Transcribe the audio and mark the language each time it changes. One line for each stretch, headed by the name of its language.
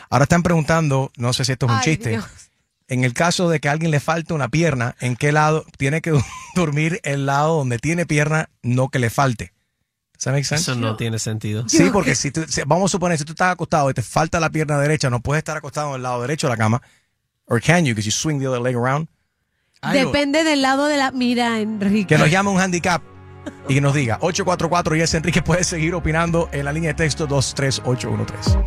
Spanish: Ahora están preguntando, no sé si esto es un chiste. Dios. En el caso de que a alguien le falte una pierna, ¿en qué lado tiene que dormir el lado donde tiene pierna, no que le falte? ¿Eso
English: make sense?
Spanish: Eso no tiene sentido. Sí, porque vamos a suponer, si tú estás acostado y te falta la pierna derecha, no puedes estar acostado en el lado derecho de la cama.
English: Or can you, because you swing the other leg around.
Spanish: Depende del lado de la... Mira, Enrique. Que nos llame un handicap y que nos diga. 844-YES, Enrique, puedes seguir opinando en la línea de texto 23813.